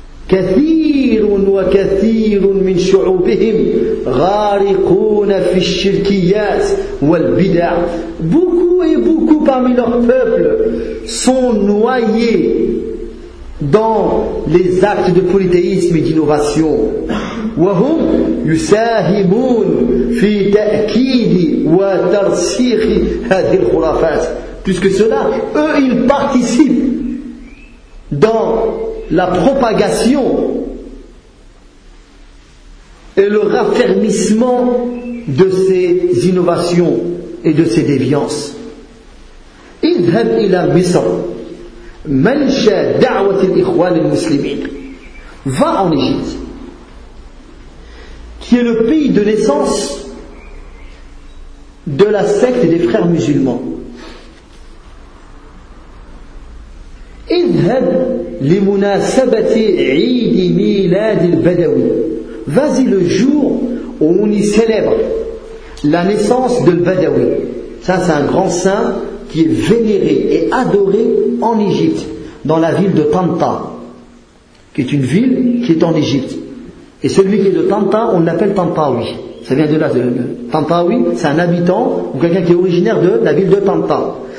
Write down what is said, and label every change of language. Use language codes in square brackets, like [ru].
[ar] كثير وكثير من شعوبهم غارقون في الشركيات والبدع. [fr] Beaucoup et beaucoup parmi leurs peuples sont noyés dans les actes de polythéisme et d'innovation. [ar] وهم يساهمون في تأكيد وترسيخ هذه الخرافات. [fr] Plus que cela, eux ils participent dans la propagation et le raffermissement de ces innovations et de ces déviances. [ar] اذهب إلى مصر منشا دعوة الإخوان المسلمين. [fr] Va en Égypte, qui est le pays de naissance de la secte des frères musulmans. [ar] اذهب لمناسبة عيد ميلاد البدوي. [fr] Vas-y le jour où on y célèbre la naissance de Badawi. Ça, c'est un grand saint qui est vénéré et adoré en Égypte, dans la ville de Tanta, qui est une ville qui est en Égypte. Et celui qui est de Tanta, on l'appelle Tantawi. Ça vient de là. Tantawi, c'est un habitant ou quelqu'un qui est originaire de la ville de Tanta.